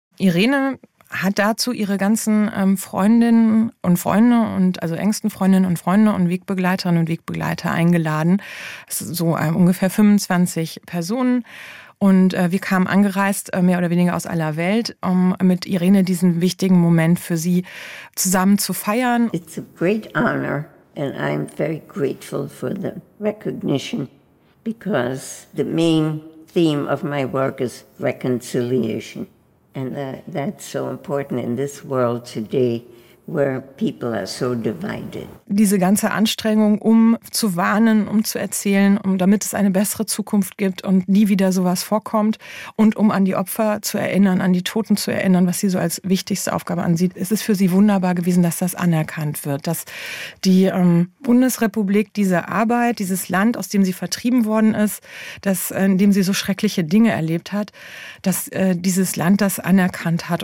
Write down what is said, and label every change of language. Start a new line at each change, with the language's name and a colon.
German: Irene hat dazu ihre ganzen Freundinnen und Freunde und also engsten Freundinnen und Freunde und Wegbegleiterinnen und Wegbegleiter eingeladen. Das ist so ungefähr 25 Personen. Und wir kamen angereist, mehr oder weniger aus aller Welt, um mit Irene diesen wichtigen Moment für sie zusammen zu feiern.
English: It's a great honor and I'm very grateful for the recognition because the main theme of my work is reconciliation. And that's so important in this world today where people are so divided.
German: Diese ganze Anstrengung, um zu warnen, um zu erzählen, um damit es eine bessere Zukunft gibt und nie wieder sowas vorkommt und um an die Opfer zu erinnern, an die Toten zu erinnern, was sie so als wichtigste Aufgabe ansieht. Es ist für sie wunderbar gewesen, dass das anerkannt wird, dass die Bundesrepublik diese Arbeit, dieses Land, aus dem sie vertrieben worden ist, in dem sie so schreckliche Dinge erlebt hat, dass dieses Land das anerkannt hat.